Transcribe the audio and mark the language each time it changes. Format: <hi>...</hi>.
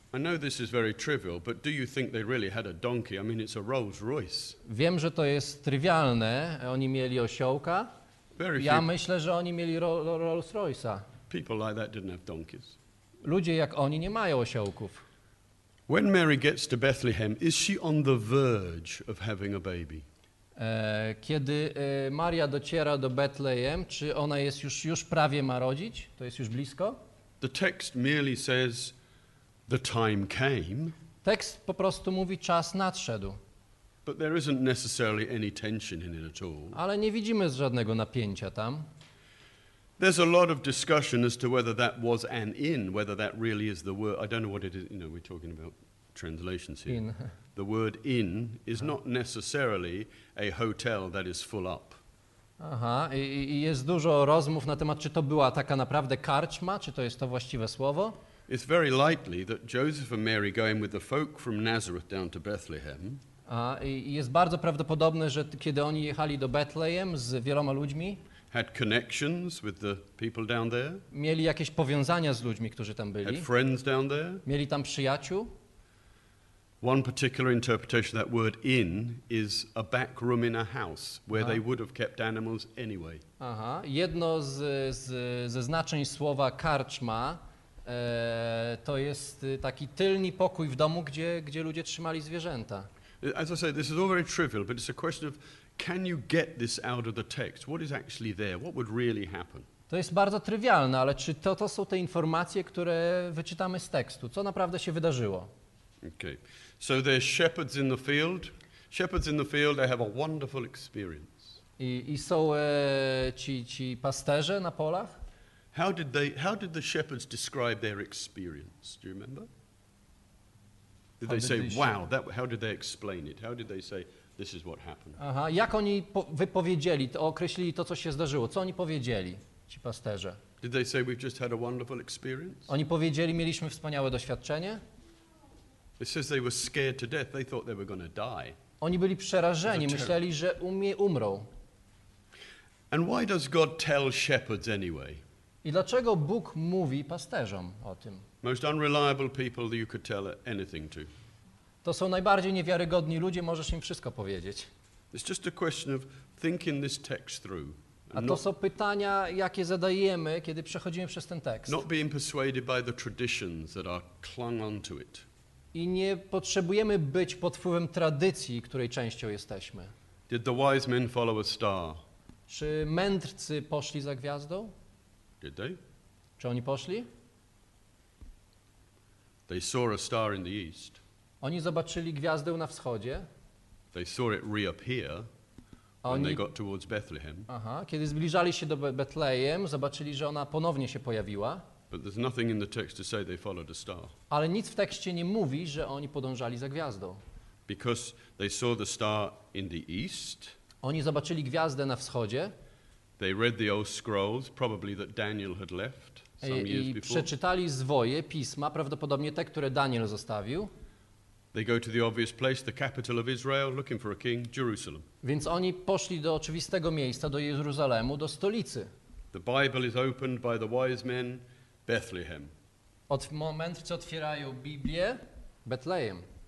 <en>I know this is very trivial, but do you think they really had a donkey? I mean, it's a Rolls Royce.</en> <pl>Wiem, że to jest trywialne. Oni mieli osiołka.</pl> <en>Very</en> <pl>ja myślę, że oni mieli Rolls Royce'a.</pl> <en>People like that didn't have donkeys.</en> <pl>Ludzie jak oni nie mają osiołków.</pl> <en>When Mary gets to Bethlehem, is she on the verge of having a baby?</en> <pl>Kiedy Maria dociera do Betlejem, czy ona jest już prawie ma rodzić? To jest już blisko?</pl> <en>The text merely says the time came.</en> <pl>Tekst po prostu mówi czas nadszedł.</pl> <en>But there isn't necessarily any tension in it at all.</en> <pl>Ale nie widzimy żadnego napięcia tam.</pl> <en>There's a lot of discussion as to whether that was an inn, whether that really is the word. I don't know what it is, you know, we're talking about translations here. In. The word inn is not necessarily a hotel that is full up.</en> <pl>Aha, i jest dużo rozmów na temat, czy to była taka naprawdę karczma, czy to jest to właściwe słowo.</pl> <en>It's very likely that Joseph and Mary going with the folk from Nazareth down to Bethlehem.</en> <pl>I jest bardzo prawdopodobne, że kiedy oni jechali do Betlejem z wieloma ludźmi,</pl> <en>had connections with the people down there.</en> <pl>Mieli jakieś powiązania z ludźmi, którzy tam byli.</pl> <en>Had friends down there.</en> <pl>Mieli tam przyjaciół.</pl> <en>One particular interpretation of that word inn is a back room in a house where they would have kept animals anyway. Aha.</en> <pl>Jedno ze znaczeń słowa karczma to jest taki tylny pokój w domu, gdzie ludzie trzymali zwierzęta.</pl> <en>As I say, this is all very trivial, but it's a question of can you get this out of the text? What is actually there? What would really happen?</en> <pl>To jest bardzo trywialne, ale czy to są te informacje, które wyczytamy z tekstu? Co naprawdę się wydarzyło?</pl> <en>Okay. So there's shepherds in the field. Shepherds in the field, they have a wonderful experience.</en> <pl>I są ci pasterze na polach?</pl> <en>How did the shepherds describe their experience? Do you remember? Did they say, wow, how did they explain it? How did they say, this is what happened.</en> <pl>Aha, jak oni wypowiedzieli, to określili to, co się zdarzyło? Co oni powiedzieli, ci pasterze?</pl> <en>Did they say we've just had a wonderful experience?</en> <pl>Oni powiedzieli, mieliśmy wspaniałe doświadczenie?</pl> <en>It says they were scared to death. They thought they were going to die.</en> <pl>Oni byli przerażeni, myśleli, że umrą.</pl> <en>And why does God tell shepherds anyway?</en> <pl>I dlaczego Bóg mówi pasterzom o tym?</pl> <en>Most unreliable people you could tell anything to.</en> <pl>To są najbardziej niewiarygodni ludzie, możesz im wszystko powiedzieć.</pl> <en>It's just a question of thinking this text through.</en> <pl>A to są pytania, jakie zadajemy, kiedy przechodzimy przez ten tekst.</pl> <en>Not being persuaded by the traditions that are clung onto it.</en> <pl>I nie potrzebujemy być pod wpływem tradycji, której częścią jesteśmy.</pl> <en>Did the wise men follow a star?</en> <pl>Czy mędrcy poszli za gwiazdą?</pl> <en>Did they?</en> <pl>Czy oni poszli?</pl> <en>They saw a star in the east.</en> <pl>Oni zobaczyli gwiazdę na wschodzie.</pl> <en>They saw it reappear. When they got towards Bethlehem.</en> <pl>Aha, kiedy zbliżali się do Betlejem, zobaczyli, że ona ponownie się pojawiła.</pl> <en>But there's nothing in the text to say they followed a star.</en> <pl>Ale nic w tekście nie mówi, że oni podążali za gwiazdą.</pl> <en>Because they saw the star in the east.</en> <pl>Oni zobaczyli gwiazdę na wschodzie.</pl> <en>They read the old scrolls, probably that Daniel had left some years before.</en> <pl>I przeczytali zwoje pisma, prawdopodobnie te, które Daniel zostawił.</pl> <en>They go to the obvious place, the capital of Israel, looking for a king, Jerusalem.</en> <pl>Więc oni poszli do oczywistego miejsca, do Jeruzalemu, do stolicy.</pl> <en>The Bible is opened by the wise men, Bethlehem.</en> <pl>Od momentu, co otwierają Biblię, Betlejem.</pl>